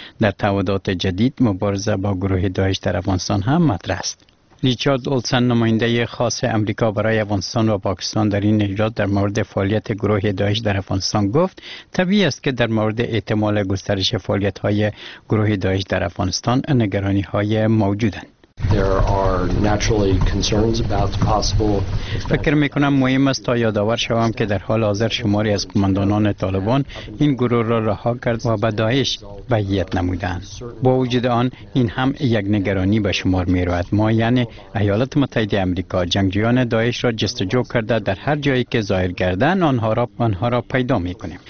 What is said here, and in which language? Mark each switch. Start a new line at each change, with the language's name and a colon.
Persian: در تعهدات جدید مبارزه با گروه داعش در افغانستان هم مطرح است. ریچارد اولسن نماینده خاص آمریکا برای افغانستان و پاکستان در این اجلاس در مورد فعالیت گروه داعش در افغانستان گفت طبیعی است که در مورد احتمال گسترش فعالیت های گروه داعش در افغانستان نگرانی های موجودند.
English: There are naturally concerns about the possible.
Persian: فکر میکنم مهم است تا یادآور شوم که در حال حاضر شماری از قوماندانان طالبان این گروه را رها کرد و به داعش بیعت نمودند. با وجود آن این هم یک نگرانی به شمار می رود. ما یعنی ایالات متحده آمریکا جنگجویان داعش را جستجو کرده در هر جایی که ظاهر گردند آنها را پیدا می کنیم.